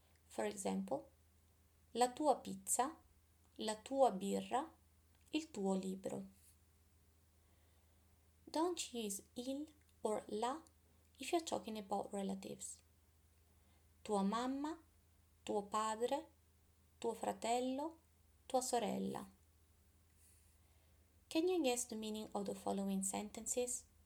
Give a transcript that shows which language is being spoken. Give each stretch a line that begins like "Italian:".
English: For example,
Italian: la tua pizza, la tua birra, il tuo libro.
English: Don't use il or la if you're talking about relatives.
Italian: Tua mamma, tuo padre, tuo fratello, tua sorella.
English: Can you guess the meaning of the following sentences?